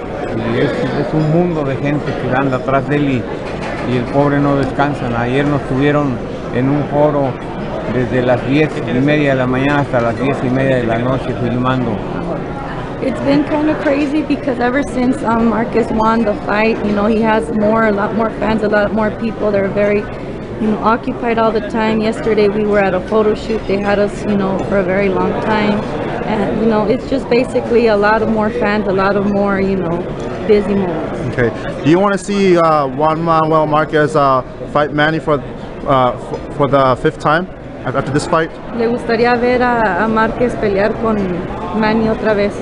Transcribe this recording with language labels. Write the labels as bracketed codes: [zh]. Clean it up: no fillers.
[es] Y es un mundo de gente que anda atrás de él y el pobre no descansa. Ayer nos tuvieron en un foro desde las 10:30 de la mañana hasta las 10:30 de la noche filmando. [en] It's been kind of crazy because ever since Marquez won the fight, you know, he has a lot more fans, a lot more people. They're very, you know, occupied all the time. Yesterday we were at a photo shoot. They had us, you know, for a very long time. And, you know, it's just basically a lot of more fans, a lot of more, you know, busy moments. Okay. Do you want to see Juan Manuel Marquez fight Manny for the 5th time after this fight? [es] ¿Le gustaría ver a Marquez pelear con Manny otra vez?